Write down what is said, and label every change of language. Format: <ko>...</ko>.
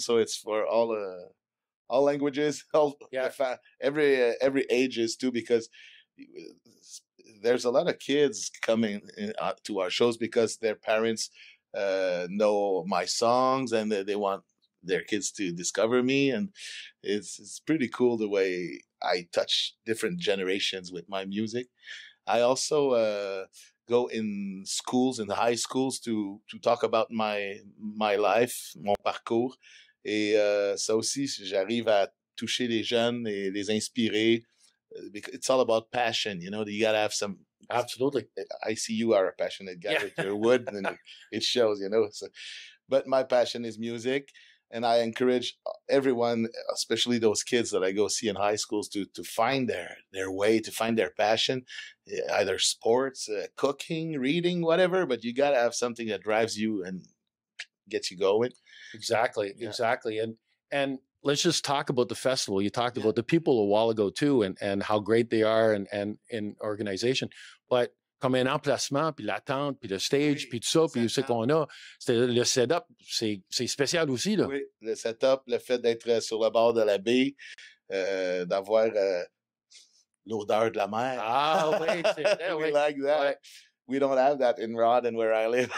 <en>So it's for all languages, all every ages, too, because there's a lot of kids coming to our shows because their parents know my songs, and they want their kids to discover me. And it's pretty cool the way I touch different generations with my music. I also go in schools, in the high schools, to talk about my life,</en> <fr>mon parcours. Et ça aussi, j'arrive à toucher les jeunes et les inspirer.</fr> <en>It's all about passion, you know. You gotta have some. Absolutely, I see you are a passionate guy with your wood, and it shows, you know. So, but my passion is music, and I encourage everyone, especially those kids that I go see in high schools, to find their way, to find their passion, either sports, cooking, reading, whatever. But you gotta have something that drives you and gets you going. Exactly, exactly, and. Let's just talk about the festival. You talked about the people a while ago too, and how great they are and in organization.</en> <fr>But comme un emplacement, puis l'attente, puis le stage, puis tout ça, puis ce qu'on a, c'est le setup, c'est spécial aussi là. Oui, le setup, le fait d'être sur le bord de la baie, d'avoir l'odeur de la mer. Ah oui,</fr> <en>we like that. Ouais. We don't have that in Rodden where I live.</en>